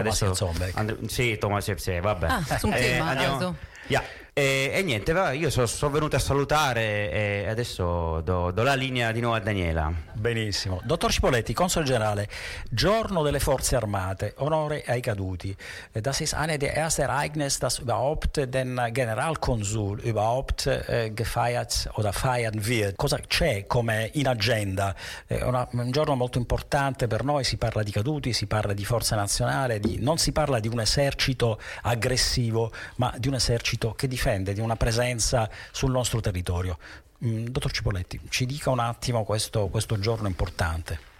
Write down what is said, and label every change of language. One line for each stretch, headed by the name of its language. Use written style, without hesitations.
Italian: Thomas Hitzelberg, vabbè. Sono venuto a salutare e adesso do la linea di nuovo a Daniela. Benissimo. Dottor Cipolletti, console generale, giorno delle forze armate, onore ai caduti.
German: Das ist eine der erste Ereignis, das überhaupt den Generalkonsul überhaupt gefeiert oder feiern wird.
Italian: Cosa c'è come in agenda? Un giorno molto importante per noi, si parla di caduti, si parla di forza nazionale, non si parla di un esercito aggressivo, ma di un esercito che difende, di una presenza sul nostro territorio. Dottor Cipolletti, ci dica un attimo questo giorno importante.